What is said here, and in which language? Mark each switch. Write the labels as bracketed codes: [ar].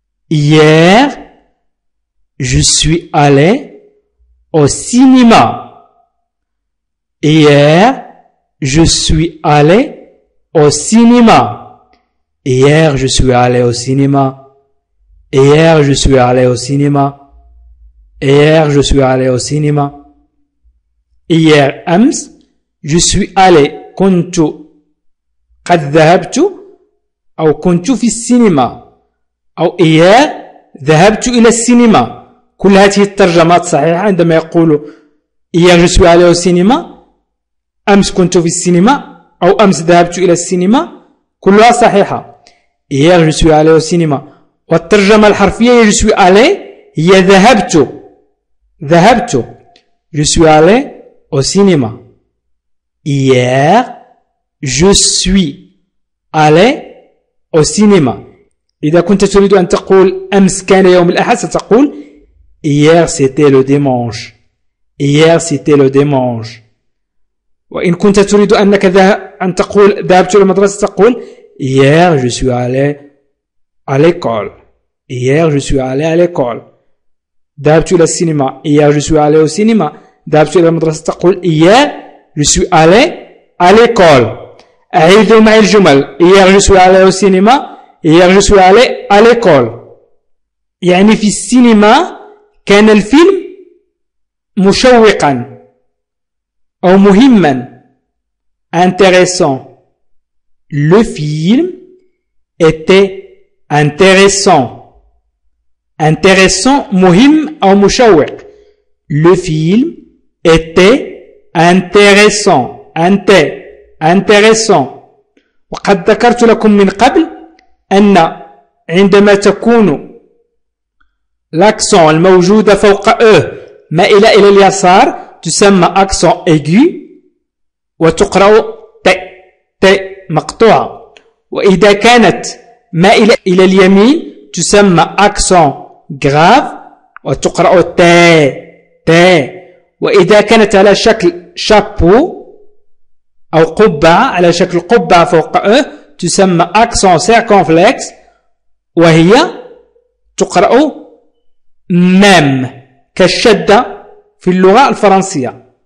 [fr] Hier je suis allé au cinéma. Hier je suis allé au cinéma. Hier je suis allé au cinéma. Hier je suis allé au cinéma. Hier je suis allé au cinéma. [ar] Hier أمس je suis allé كنت قد ذهبت أو كنت في السينما أو hier ذهبت إلى السينما. كل هذه الترجمات صحيحة عندما يقول hier je suis allé au cinéma، أمس كنت في السينما أو أمس ذهبت إلى السينما، كلها صحيحة. [fr] Hier je suis allé au cinéma. [ar] والترجمة الحرفية هي je suis allé، هي ذهبت. [fr] ذهبت. Je suis allé au cinéma. Hier je suis allé au cinéma. [ar] إذا كنت تريد أن تقول أمس كان يوم الأحد ستقول Hier c'était le dimanche. [fr] Hier c'était le dimanche. [ar] وإن كنت تريد أنك أن تقول ذهبت إلى المدرسة تقول Hier je suis allé à l'école. [fr] Hier je suis allé à l'école. [ar] ذهبت إلى السينما. [fr] Hier je suis allé au cinéma. ذهبت إلى المدرسة تقول Hier je suis allé à l'école. [ar] أعيدوا معي الجمل. [fr] Hier je suis allé au cinéma. Hier je suis allé à l'école. [ar] يعني في السينما كان الفيلم مشوقا أو مهما. [fr] Intéressant. Le film était intéressant. Intéressant, muhim ou mushawwiq. Le film était intéressant. Intéressant. [ar] وقد ذكرت لكم من قبل أن عندما تكون l'accent الموجود فوق E مائلة إلى اليسار تسمى accent aigu وتقرأ ت ت مقطوعة، وإذا كانت مائلة إلى اليمين تسمى accent grave وتقرأ ت ت، وإذا كانت على شكل شابو أو قبعة، على شكل قبعة فوق أ تسمى accent circonflexe وهي تقرأ مام كالشدة في اللغة الفرنسية.